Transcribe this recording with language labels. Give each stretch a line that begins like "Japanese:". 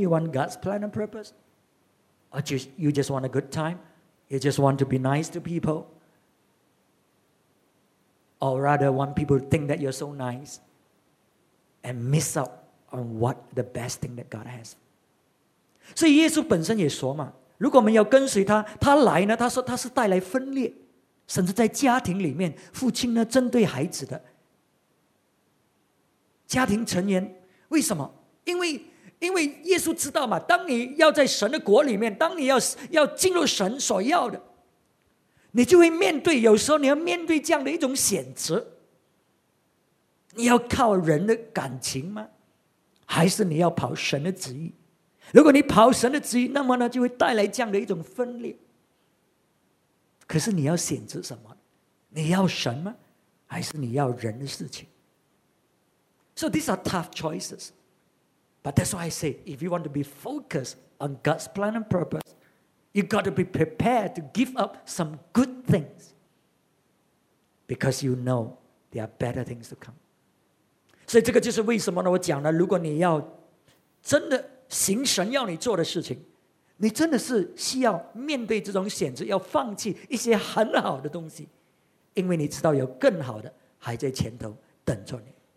English: You want God's plan and purpose? Or you just want a good time? You just want to be nice to people? Or rather want people to think that you're so nice and miss out on what the best thing that God has?
Chinese: 所以耶稣本身也说嘛, 如果我们要跟随他, 他来呢, 他说他是带来分裂, 甚至在家庭里面, 父亲呢, 针对孩子的, 家庭成员, 为什么? 因为耶稣知道嘛, 当你要在神的国里面, 当你要进入神所要的, 你就会面对, 有时候你要面对这样的一种选择, 你要靠人的感情吗? 还是你要跑神的旨意?如果你跑神的旨意, 那么呢, 就会带来这样的一种分裂, 可是你要选择什么? 你要神吗?还是你要人的事情?
English: So these are tough choices. But that's why I say, if you want to be focused on God's plan and purpose, you've got to be prepared to give up some good things because you know there are better things to come.
Chinese: 所以这个就是为什么呢,我讲呢, 如果你要真的行神要你做的事情, 你真的是需要面对这种选择, 要放弃一些很好的东西, 因为你知道有更好的还在前头等着你。